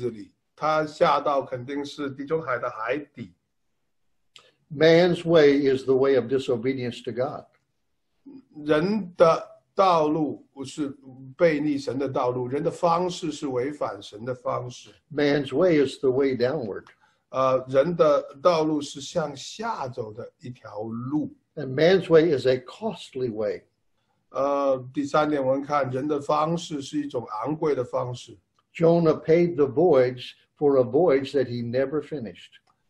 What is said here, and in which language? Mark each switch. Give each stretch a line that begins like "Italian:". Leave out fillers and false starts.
Chinese: 我们知道约拿是在鱼的肚子里，他下到肯定是地中海的海底。
English: Man's way is the way of disobedience to God.
Chinese: 人的道路是悖逆神的道路, 人的方式是违反神的方式。
English: Man's way is the way downward.
Chinese: 人的道路是向下走的一条路。
English: And man's way is a costly way.
Chinese: 第三点我们看, 人的方式是一种昂贵的方式。
English: Jonah paid the voyage for a voyage that he never finished.